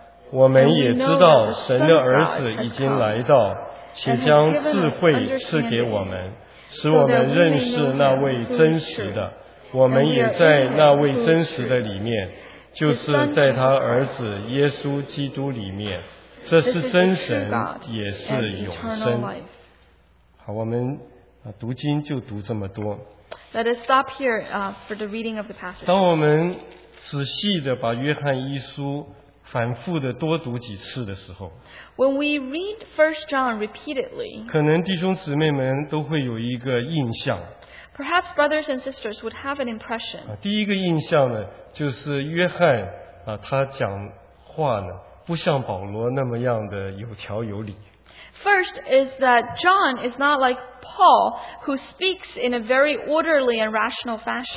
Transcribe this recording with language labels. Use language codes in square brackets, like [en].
[zh] 我们也知道神的儿子已经来到，且将智慧赐给我们，使我们认识那位真实的。我们也在那位真实的里面，就是在他儿子耶稣基督里面。这是真神，也是永生。好，我们读经就读这么多。 [en] Let us stop here for the reading of the passage. [zh] 当我们仔细的把约翰一书反复的多读几次的时候， [en] When we read 1 John repeatedly, [zh] 可能弟兄姊妹们都会有一个印象。 [en] Perhaps brothers and sisters would have an impression. [zh] 第一个印象呢，就是约翰他讲话呢，不像保罗那么样的有条有理。 [en] First is that John is not like Paul, who speaks in a very orderly and rational fashion.